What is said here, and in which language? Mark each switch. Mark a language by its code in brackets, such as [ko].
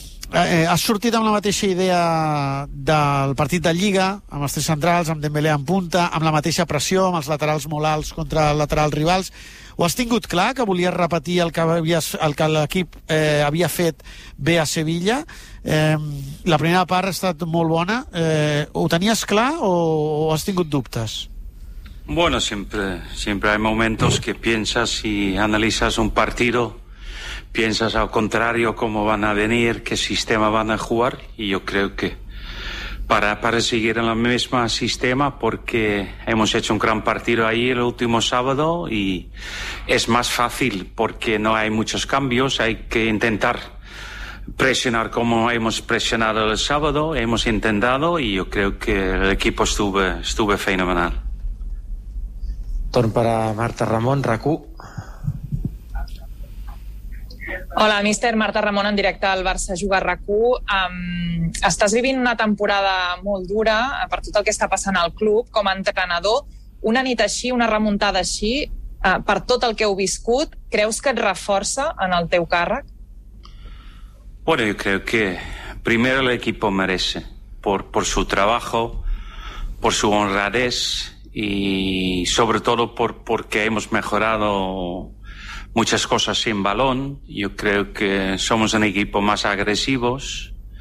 [ca] Has sortit amb la mateixa idea del partit de Lliga, amb els tres centrals, amb Dembélé en punta, amb la mateixa pressió, amb els laterals molt alts contra laterals rivals. Ho has tingut clar, que volies repetir el que l'equip havia fet bé a Sevilla? La primera part ha estat molt bona. Ho tenies clar o has tingut dubtes? [es] Bueno, siempre hay momentos que piensas y analizas un partido, piensas al contrario cómo van a venir, qué sistema van a jugar, y yo creo que para seguir en el mismo sistema, porque hemos hecho un gran partido ahí el último sábado y es más fácil porque no hay muchos cambios, hay que intentar presionar como hemos presionado el sábado, hemos intentado y yo creo que el equipo estuvo fenomenal. [ca] Torn per a Marta Ramon, RAC1. Hola, míster. Marta Ramon, en directe al Barça Juga RAC1. Estàs vivint una temporada molt dura per tot el que està passant al club. Com a entrenador, una nit així, una remuntada així, per tot el que heu viscut, creus que et reforça en el teu càrrec? [es] Bueno, yo creo que primero el equipo merece por su trabajo, por su honradez y sobre todo porque hemos mejorado muchas cosas sin balón. Yo creo que somos un equipo más agresivos.